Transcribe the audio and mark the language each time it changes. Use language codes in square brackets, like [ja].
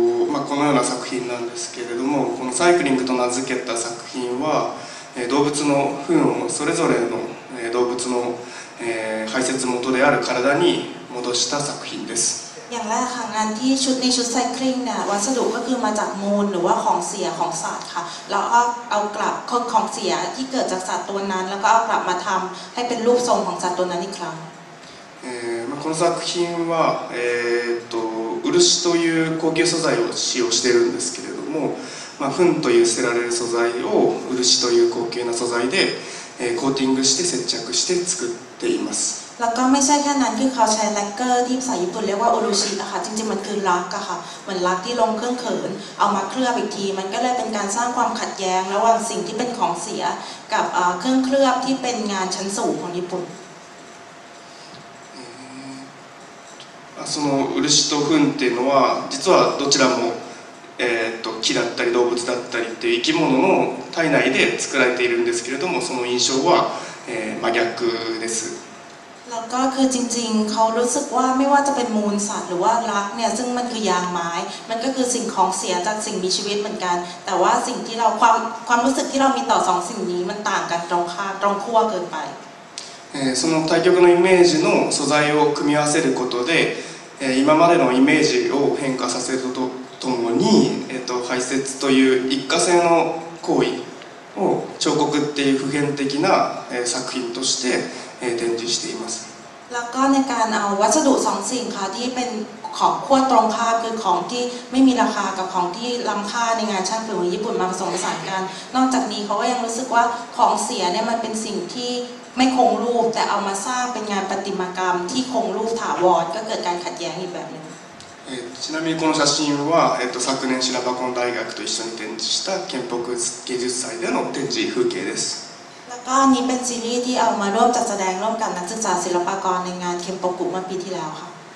[ja] まあこのような作品なんですけれども、このサイクリングと名付けた作品は動物の糞をそれぞれの動物の排泄元である体に戻した作品です。 [th] อย่างแรกค่ะงานที่ชุดในชุดไซคลิงเนี่ยวัสดุก็คือมาจากมูลหรือว่าของเสียของสัตว์ค่ะแล้วก็เอากลับของเสียที่เกิดจากสัตว์ตัวนั้นแล้วก็เอากลับมาทำให้เป็นรูปทรงของสัตว์ตัวนั้นอีกครั้ง [ja] この作品はという高級素材を使用しているんですけれどもまあ糞という捨てられる素材を漆という高級な素材でコーティングして接着して作っています [th] แล้วก็ไม่ใช่แค่นั้นคือเขาใช้แลกเกอร์ที่ภาษาญี่ปุ่นเรียกว่าอุรุชินะคะจริงๆมันคือลักค่ะเหมือนลักที่ลงเครื่องเขินเอามาเคลือบอีกทีมันก็เลยเป็นการสร้างความขัดแย้งระหว่างสิ่งที่เป็นของเสียกับเครื่องเคลือบที่เป็นงานชั้นสูงของญี่ปุ่น [ja] そのウルシとフンっていうのは実はどちらも木だったり動物だったりっていう生き物の体内で作られているんですけれどもその印象は真逆です [th] แล้วก็คือจริงๆเขารู้สึกว่าไม่ว่าจะเป็นมูลสัตว์หรือว่ารักเนี่ยซึ่งมันคือยางไม้มันก็คือสิ่งของเสียจากสิ่งมีชีวิตเหมือนกันแต่ว่าสิ่งที่เราความรู้สึกที่เรามีต่อสองสิ่งนี้มันต่างกันตรงข้ามตรงขั้วเกินไป [ja] その対極のイメージの素材を組み合わせることで今までのイメージを変化させるとともに排泄という一過性の行為を彫刻っていう普遍的な作品として展示しています。 [th] แล้วก็ในการเอาวัสดุสองสิ่งค่ะที่เป็นของขั้วตรงข้ามคือของที่ไม่มีราคากับของที่ล้ำค่าในงานช่างฝีมือญี่ปุ่นมาผสมผสานกันนอกจากนี้เขาก็ยังรู้สึกว่าของเสียเนี่ยมันเป็นสิ่งที่ไม่คงรูปแต่เอามาสร้างเป็นงานประติมากรรมที่คงรูปถาวรก็เกิดการขัดแย้งอีกแบบนึง [ja] ちなみにこの写真は昨年シラバコン大学と一緒に展示した建国芸術祭での展示風景です [th] ก็นี้เป็นซีรีส์ที่เอามาร่วมจัดแสดงร่วมกับนักศึกษาศิลปากรในงานเคมโปกุเมื่อปีที่แล้วค่ะ